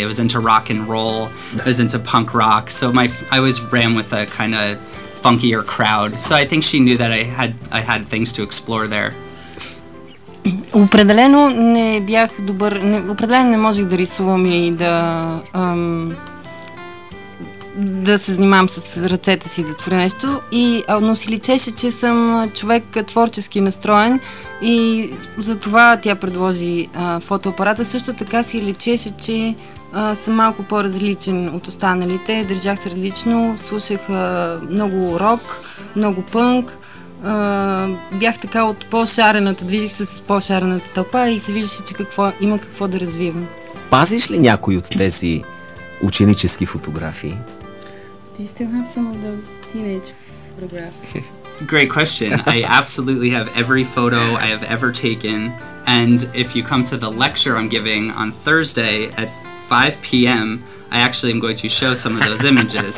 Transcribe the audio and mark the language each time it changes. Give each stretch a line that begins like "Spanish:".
English: I was into rock and roll. I was into punk rock. So I was ran with a kind of funkier crowd. So I think she knew that I had things to explore there.
Bulgarian: Определено не бях добър. Определено не можех да рисувам и да да се занимавам с ръцете си, да творя нещо. Но си личеше, че съм човек творчески настроен, и затова тя предложи фотоапарата. Също така си личеше, че съм малко по-различен от останалите. Държах се различно, слушах много рок, много пънк. Бях така от по-шарената, движих се с по-шарената тълпа и се виждаше, че има какво да развивам. Пазиш ли някой от тези ученически фотографии?
English: Do you still have some of those teenage photographs? Great question. I absolutely have every photo I have ever taken. And if you come to the lecture I'm giving on Thursday at 5 p.m., I actually am going to show some of those images.